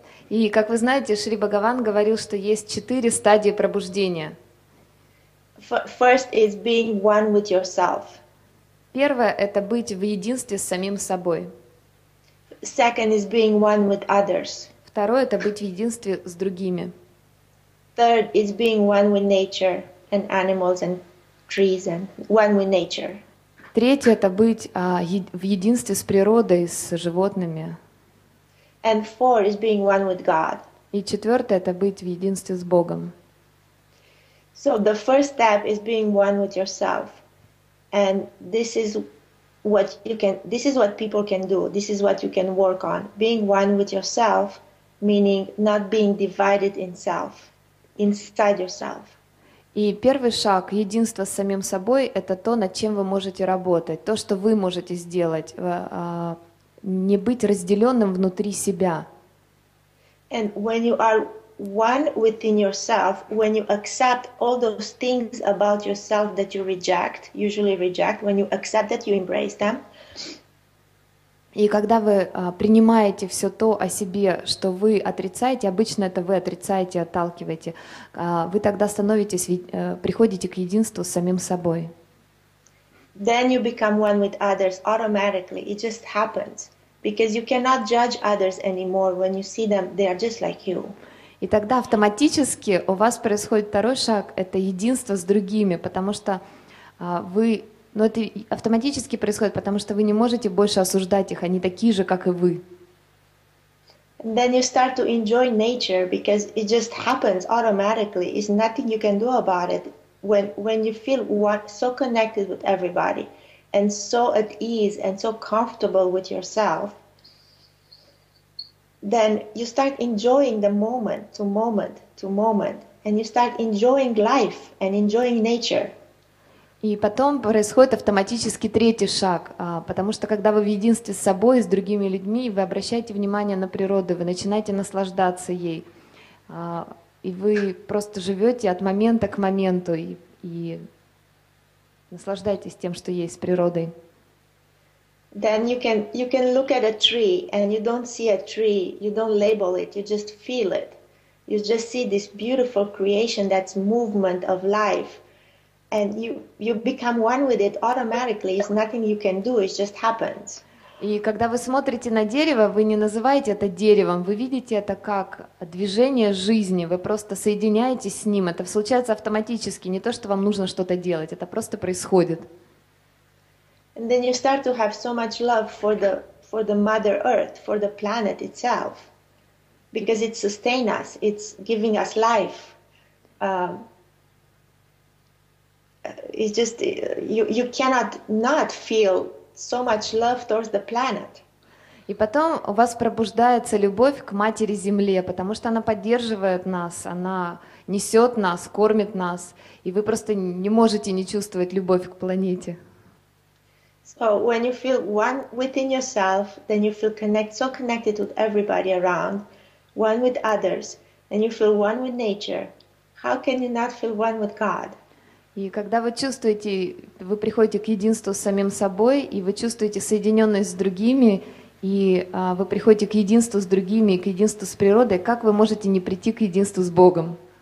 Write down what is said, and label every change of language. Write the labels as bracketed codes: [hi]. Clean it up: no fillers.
[ru] И как вы знаете, Шри Бхагаван говорил, что есть четыре стадии пробуждения. [en] First is being one with yourself. [ru] Первое — это быть в единстве с самим собой. [en] Second is being one with others. [ru] Второе — это быть в единстве с другими. [en] Third is being one with nature and animals and trees and one with nature. [ru] Третье — это быть в единстве с природой, с животными. [en] And four is being one with God. [ru] И четвертое — это быть в единстве с Богом. [en] So the first step is being one with yourself. And this is what people can do. This is what you can work on. Being one with yourself, meaning not being divided in self, inside yourself. [ru] И первый шаг, единство с самим собой, это то, над чем вы можете работать, то, что вы можете сделать, не быть разделенным внутри себя. [en] And when you are one within yourself, when you accept all those things about yourself that you reject, usually reject, when you accept that, you embrace them. [ru] И когда вы принимаете все то о себе, что вы отрицаете, обычно это вы отрицаете, отталкиваете, вы тогда приходите к единству с самим собой. [en] then you become one with others automatically. It just happens. Because you cannot judge others anymore when you see them, they are just like you. [ru] И тогда автоматически у вас происходит второй шаг, это единство с другими, потому что вы, ну это автоматически происходит, потому что вы не можете больше осуждать их, они такие же, как и вы. [en] And then you start to enjoy nature because it just happens automatically. It's nothing you can do about it. When you feel so connected with everybody and so at ease and so comfortable with yourself, then you start enjoying the moment to moment to moment, and you start enjoying life and enjoying nature. [ru] И потом происходит автоматически третий шаг, потому что когда вы в единстве с собой, с другими людьми, вы обращаете внимание на природу, вы начинаете наслаждаться ей, и вы просто живете от момента к моменту и наслаждаетесь тем, что есть с природой. [en] Then you can look at a tree and you don't see a tree, you don't label it, you just feel it. You just see this beautiful creation, that's movement of life. And you become one with it automatically. It's nothing you can do, it just happens. [ru] И когда вы смотрите на дерево, вы не называете это деревом, вы видите это как движение жизни, вы просто соединяетесь с ним, это случается автоматически, не то, что вам нужно что-то делать, это просто происходит. [en] And then you start to have so much love for the Mother Earth, for the planet itself, because it sustains us, it's giving us life. It's just you cannot not feel so much love towards the planet. [ru] И потом у вас пробуждается любовь к Матери Земле, потому что она поддерживает нас, она несет нас, кормит нас, и вы просто не можете не чувствовать любовь к планете. [en] So when you feel one within yourself, then you feel so connected with everybody around, one with others, and you feel one with nature. How can you not feel one with God? [ru] И когда вы чувствуете, вы приходите к единству с самим собой, и вы чувствуете соединенность с другими, и вы приходите к единству с другими, и к единству с природой, как вы можете не прийти к единству с Богом?